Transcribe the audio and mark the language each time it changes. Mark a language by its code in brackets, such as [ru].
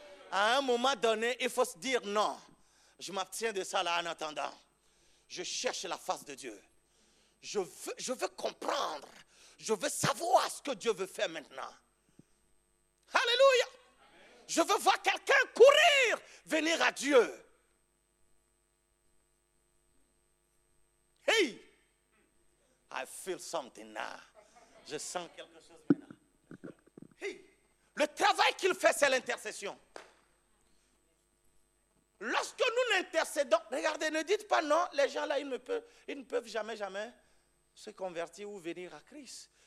[fr] À un moment donné, il faut se dire non. Je m'abstiens de ça là en attendant. Je cherche la face de Dieu. Je veux comprendre. Je veux savoir ce que Dieu veut faire maintenant. Alléluia. Je veux voir quelqu'un courir, venir à Dieu. [en] Hey, I feel something now. [fr] Je sens quelque chose maintenant. Hey, le travail qu'il fait, c'est l'intercession. Lorsque nous intercédons, regardez, ne dites pas non, les gens là, ils ne peuvent jamais se convertir ou venir à Christ.